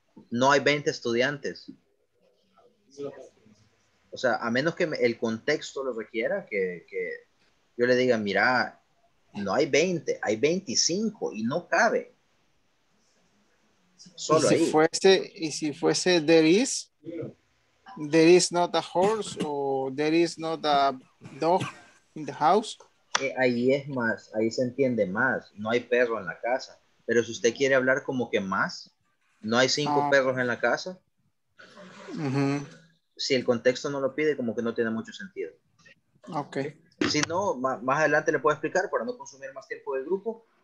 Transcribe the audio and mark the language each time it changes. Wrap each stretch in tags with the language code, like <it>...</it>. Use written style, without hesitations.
<es>No hay 20 estudiantes. O sea, a menos que el contexto lo requiera, que yo le diga, mira, no hay 20, hay 25 y no cabe. Solo ahí. Y si fuese</es> <en>there is not a horse o there is not a dog in the house.</en> <es>Ahí es más, ahí se entiende más. No hay perro en la casa. Pero si usted quiere hablar como que más, no hay cinco perros en la casa. Uh-huh. Si el contexto no lo pide, como que no tiene mucho sentido. Ok. Si no, más adelante le puedo explicar para no consumir más tiempo del grupo.</es>